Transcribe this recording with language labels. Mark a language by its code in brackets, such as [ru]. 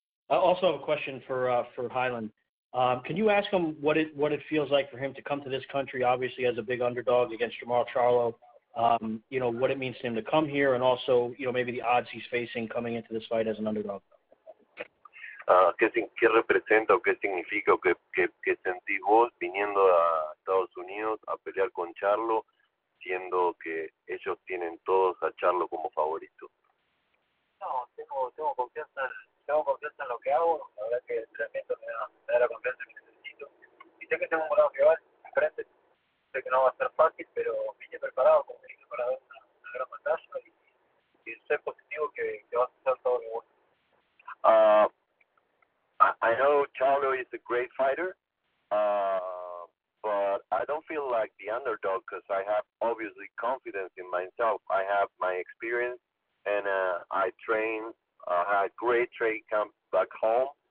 [en] I also have a question for Highland. Can you ask him what it feels like for him to come to this country, obviously as a big underdog against Jamal Charlo, you know, what it means to him to come here and also, you know, maybe the odds he's facing coming into this fight as an underdog? [es] ¿Qué representa o qué significa o qué sentís vos viniendo a Estados Unidos a pelear con Charlo, siendo que ellos tienen todos a Charlo como favorito? No, tengo confianza en lo que hago, la verdad que el entrenamiento me da la confianza que necesito. Y sé que tengo un lado que va diferente, sé que no va a ser fácil, pero vine preparado, como dije, para dar una gran batalla y ser positivo que va a ser todo lo bueno. [en] I know Charlo is a great fighter, but I don't feel like the underdog because I have obviously confidence in myself. I have my experience and I trained, had great training camp back home.